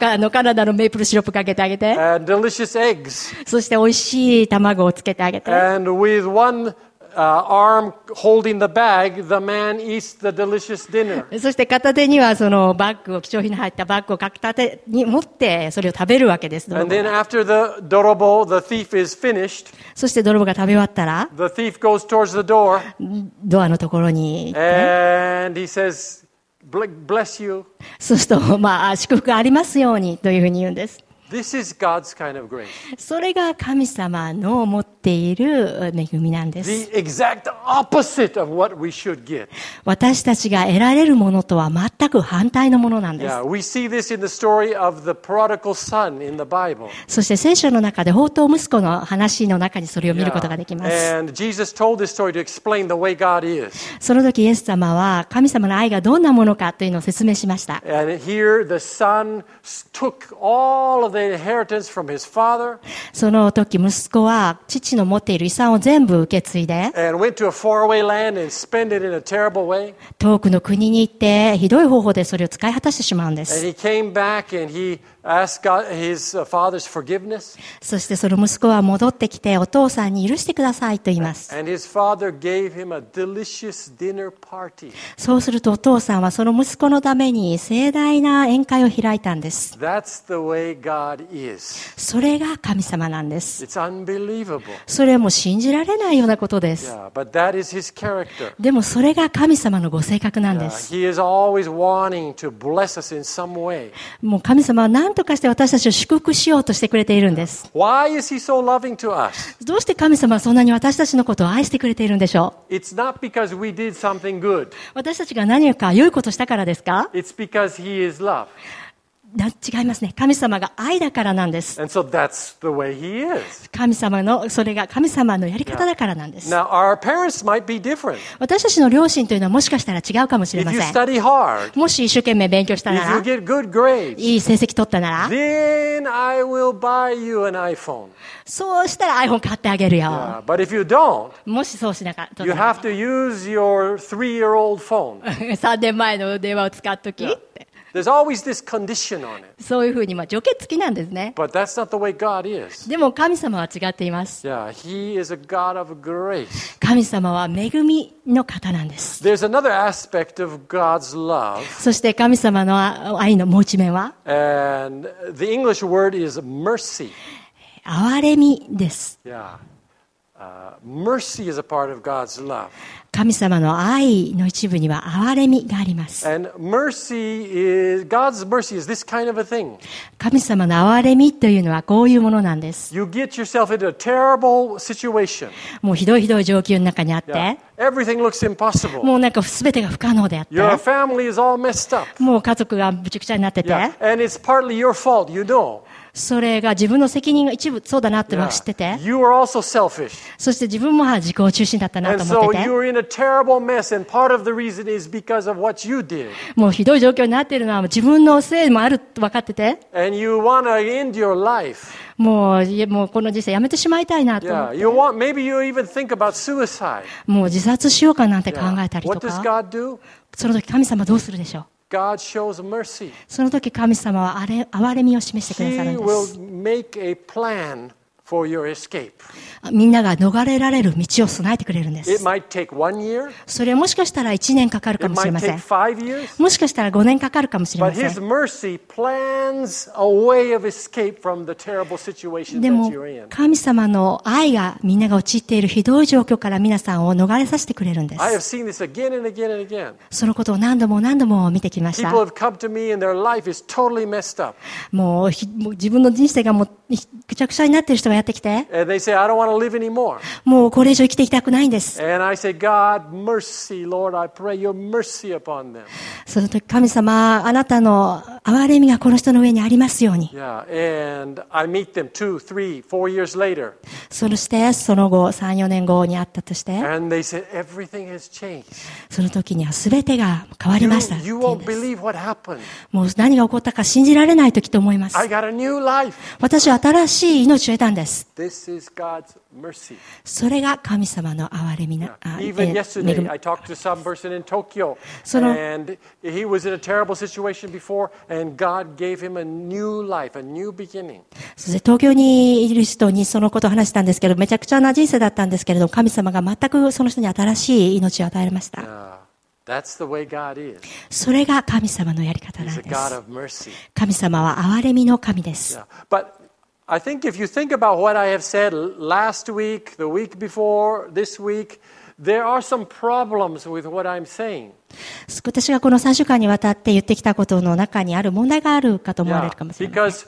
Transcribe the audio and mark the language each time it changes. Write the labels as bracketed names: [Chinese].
[Japanese] カナダのメープルシロップかけてあげて。 [English] And delicious eggs. [Japanese] そして美味しい卵をつけてあげて。 [English] And with one, arm holding the bag, the man eats the delicious dinner. [Japanese] そして片手にはそのバッグを貴重品の入ったバッグを片手に持ってそれを食べるわけです。 [English] And then after the 泥棒, the thief is finished. [Japanese] そして泥棒が食べ終わったら, [English] the thief goes towards the door. [Japanese] ドアのところに行って, [English] and he says, bless you. [Japanese] そうするとまあ祝福がありますようにというふうに言うんです。 [English] This is God's kind of grace. [Japanese] それが神様の持っている恵みなんです。 [English] The exact opposite of what we should get. [Japanese] 私たちが得られるものとは全く反対のものなんです。 [English] Yeah, we see this in the story of the prodigal son in the Bible. [Japanese] そして聖書の中で放蕩息子の話の中にそれを見ることができます。 [English] And Jesus told this story to explain the way God is. [Japanese] その時イエス様は神様の愛がどんなものかというのを説明しました。 [English] And here the son took all of the inheritance from his father. [Japanese] その時息子は父の持っている遺産を全部受け継いで、 [English] and went to a faraway land and spent it in a terrible way. [Japanese] 遠くの国に行ってひどい方法でそれを使い果たしてしまうんです。 [English] And he came back and he asked God his father's forgiveness. [Japanese] そしてその息子は戻ってきてお父さんに許してくださいと言います。 [English] And his father gave him a delicious dinner party. [Japanese] そうするとお父さんはその息子のために盛大な宴会を開いたんです。 [English] That's the way God is. [Japanese] それが神様なんです。 [English] It's unbelievable. [Japanese] それはもう信じられないようなことです。 [English] Yeah, but that is his character. [Japanese] でもそれが神様のご性格なんです。 [English] He is always wanting to bless us in some way. [Japanese] もう神様は何とかして私たちを祝福しようとしてくれているんです。 [English] Why is he so loving to us? [Japanese] どうして神様はそんなに私たちのことを愛してくれているんでしょう? [English] It's not because we did something good. [Japanese] 私たちが何か良いことしたからですか? [English] It's because he is love. [Japanese] 違いますね。神様が愛だからなんです。 [English] And so that's the way he is. [Japanese] 神様の、それが神様のやり方だからなんです。 [English] Now, our parents might be different. [Japanese] 私たちの両親というのはもしかしたら違うかもしれません。 [English] If you study hard, [Japanese] もし一生懸命勉強したなら、 [English] if you get good grades, [Japanese] いい成績取ったなら、 [English] then I will buy you an iPhone. [Japanese] そうしたら iPhone 買ってあげるよ。 [English] Yeah, but if you don't, [Japanese] もしそうしなかったら、 [English] you have to use your 3-year-old phone. [Japanese] 3年前の電話を使っとき。Yeah. [English] There's always this condition on it. [Japanese] そういうふうに、まあ、条件付きなんですね。 [English] But that's not the way God is. [Japanese] でも神様は違っています。 [English] Yeah, he is a God of grace. [Japanese] 神様は恵みの方なんです。 [English] There's another aspect of God's love. [Japanese] そして神様の愛のもう一面は。 [English] And the English word is mercy. [Japanese] 憐れみです。 Yeah. [English] Mercy is a part of God's love. [Japanese] 神様の愛の一部には憐れみがあります。 [English] And mercy is, God's mercy is this kind of a thing. [Japanese] 神様の憐れみというのはこういうものなんです。 [English] You get yourself into a terrible situation. [Japanese] もうひどいひどい状況の中にあって。 Yeah. [English] Everything looks impossible. [Japanese] もうなんか全てが不可能であって。 [English] Your family is all messed up. [Japanese] もう家族がぶちゃぶちゃになってて。 Yeah. [English] And it's partly your fault, you know. [Japanese] それが自分の責任が一部そうだなって知ってて、 [English] yeah. you are also selfish. [Japanese] そして自分も自己中心だったなと思ってて、 [English] and so you are in a terrible mess, and part of the reason is because of what you did. [Japanese] もうひどい状況になっているのは自分のせいもあると分かってて、 [English] and you want to end your life. [Japanese] もうこの人生やめてしまいたいなと思って、 [English] yeah. you want, maybe you even think about suicide. [Japanese] もう自殺しようかなんて考えたりとか、 [English] yeah. what does God do? [Japanese] その時神様どうするでしょう。 [English] God shows mercy. [Japanese] その時神様は憐れみを示してくださるんです。 [English] He will make a plan for your escape. [Japanese] みんなが逃れられる道を備えてくれるんです。 [English] It might take one year. [Japanese] それはもしかしたら1年かかるかもしれません。 [English] It might take five years. [Japanese] もしかしたら5年かかるかもしれません。 [English] But His mercy plans a way of escape from the terrible situation that you're in. [Japanese] でも神様の愛がみんなが陥っているひどい状況から皆さんを逃れさせてくれるんです。 [English] I have seen this again and again and again. [Japanese] そのことを何度も何度も見てきました。 [English] People have come to me and their life is totally messed up. [Japanese] もう自分の人生がもうぐちゃぐちゃになっている人がやってきて、 [English] and they say, I don't want to live anymore. [Japanese] もうこれ以上生きていきたくないんです。 [English] And I say, God, mercy, Lord, I pray your mercy upon them. [Japanese] その時、神様、あなたの憐れみがこの人の上にありますように。 [English] Yeah, and I meet them two, three, four years later. [Japanese] そしてその後、3、4年後に会ったとして、 [English] and they say, everything has changed. [Japanese] その時には全てが変わりました。 [English] You won't believe what happened. [Japanese] もう何が起こったか信じられない時と思います。 [English] I got a new life. [Japanese] 私は新しい命を得たんです。 [English] This is God's mercy. [Japanese] それが神様の憐れみな、 [English] Even yesterday, I talked to some person in Tokyo, and he was in a terrible situation before, and God gave him a new life, a new beginning. [Japanese] そして東京にいる人にそのことを話したんですけど、めちゃくちゃな人生だったんですけれども、神様が全くその人に新しい命を与えました。 [English] That's the way God is. [Japanese] それが神様のやり方なんです。 [English] He's a God of mercy. [Japanese] 神様は憐れみの神です。 Yeah. [English] But,I think if you think about what I have said last week, the week before, this week, there are some problems with what I'm saying. [Japanese] 私がこの3週間にわたって言ってきたことの中にある問題があるかと思われるかもしれません。